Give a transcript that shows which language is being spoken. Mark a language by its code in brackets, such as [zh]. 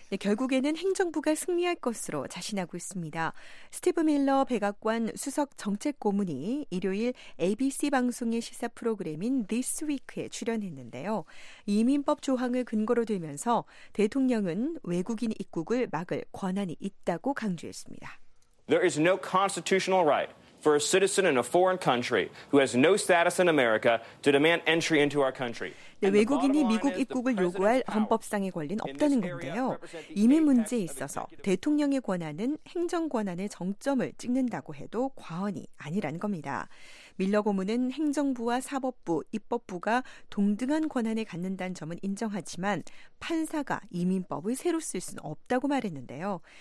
[ko] 네, 결국에는 행정부가 승리할 것으로 자신하고 있습니다. 스티브 밀러 백악관 수석 정책 고문이 일요일 ABC 방송의 시사 프로그램인 This Week에 출연했는데요. 이민법 조항을 근거로 들면서 대통령은 외국인 입국을 막을 권한이 있다고 강조했습니다. [en] There is no constitutional right for a citizen in a foreign country who has no status in America to demand entry into our country. [ko] 네, 외국인이 미국 입국을 요구할 헌법상의 권리는 없다는 건데요. 이민 문제에 있어서 대통령의 권한은 행정 권한의 정점을 찍는다고 해도 과언이 아니라는 겁니다. 밀러 고문은 행정부와 사법부, 입법부가 동등한 권한을 갖는다는 점은 인정하지만 판사가 이민법을 새로 쓸 수는 없다고 말했는데요.